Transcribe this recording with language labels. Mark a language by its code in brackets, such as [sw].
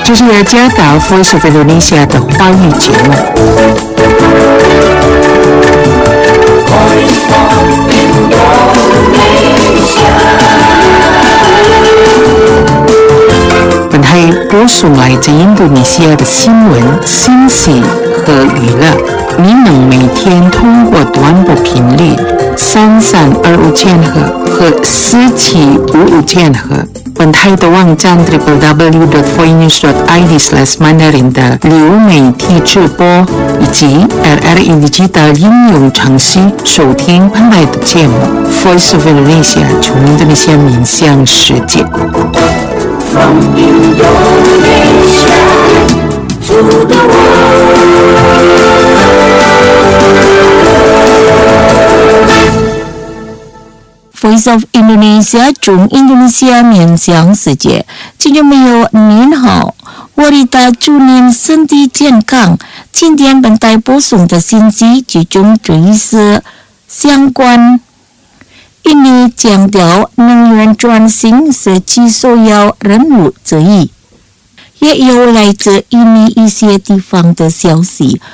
[zh] Voice of Indonesia 的华语节目。本台播送来自印度尼西亚的新闻、信息和娱乐。您能每天通过短波频率33.25千赫和17.55千赫。本台的网站 www.voinews.id/mandarin 的流媒体直播以及 LRE Digital 应用程序收听本台的节目 Voice of Indonesia 从印度尼西亚民向世界 [en] From Indonesia to the world. Voice [zh] of Indonesia 中印度尼西亚面向世界听众朋友您好，我为大家祝您身体健康。今天本台播送的信息集中注意是相关印尼强调能源转型是其首要任务之一，也有来自印尼一些地方的消息。